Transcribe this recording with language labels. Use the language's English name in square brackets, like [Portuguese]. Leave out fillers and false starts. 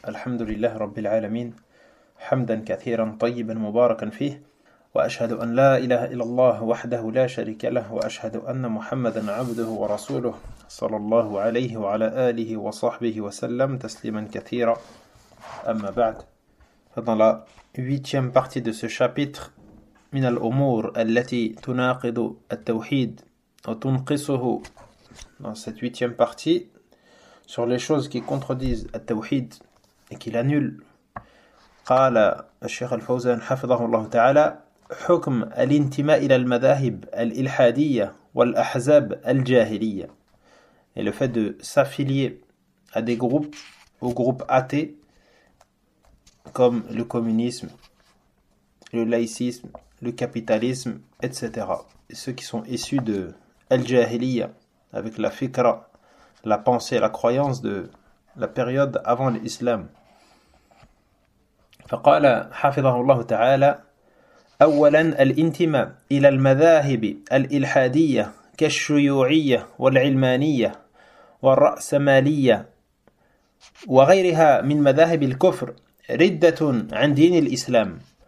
[Arabic] الحمد لله رب العالمين، حمدا كثيرا طيبا مباركا فيه، وأشهد أن لا إله إلا الله وحده لا شريك له، وأشهد أن محمدا عبده ورسوله، صلى الله عليه وعلى آله وصحبه وسلم تسليما كثيرا. أما بعد، فضل [French] 8e partie de ce chapitre [Arabic] من الأمور التي تناقض التوحيد وتنقصه. [French] Dans cette 8e partie, sur les choses qui contredisent التوحيد et qui l'annulent. [Arabic] قال الشيخ الفوزان حفظه الله تعالى: حكم الانتماء إلى المذاهب الإلحادية والأحزاب الجاهلية. [French] Et le fait de s'affilier à des groupes, aux groupes athées, comme le communisme, le laïcisme, le capitalisme, etc. Et ceux qui sont issus de Al-Jahiliya, avec la fikra, la pensée, la croyance de la période avant l'islam. [Arabic] فقال حفظه الله تعالى أولا الانتماء إلى المذاهب الإلحادية كالشيوعية والعلمانية والرأسمالية وغيرها من مذاهب الكفر ردة عن دين الإسلام،